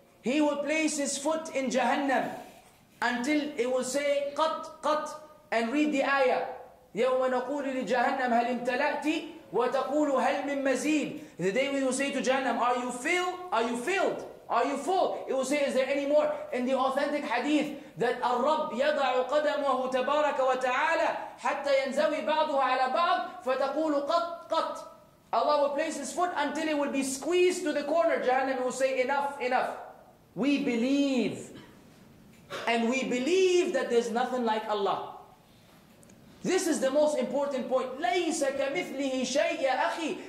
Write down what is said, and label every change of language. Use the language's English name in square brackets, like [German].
[English] He will place His foot in Jahannam until it will say, Qat, Qat, and read the ayah. [Arabic] يَوْمَ نَقُولُ لِجَهَنَّمْ هَلْ امْتَلَأْتِ وَتَقُولُ هَلْ مِنْ مَزِيدٍ. [English] The day we will say to Jahannam, are you filled? Are you filled? Are you full? It will say, is there any more? In the authentic hadith, that [Arabic] الرَّبْ يَضَعُ قَدَمُهُ تَبَارَكَ وَتَعَالَى حَتَّى يَنْزَوِي بَعْضُهَ عَلَى بَعْضٍ فَتَقُولُ قَطْ قَطْ. [English] Allah will place His foot until it will be squeezed to the corner. Jahannam will say, enough, enough. We believe. And we believe that there's nothing like Allah. This is the most important point. [Arabic] لَيْسَ كَمِثْلِهِ شَيْءٍ يَا أَخِي.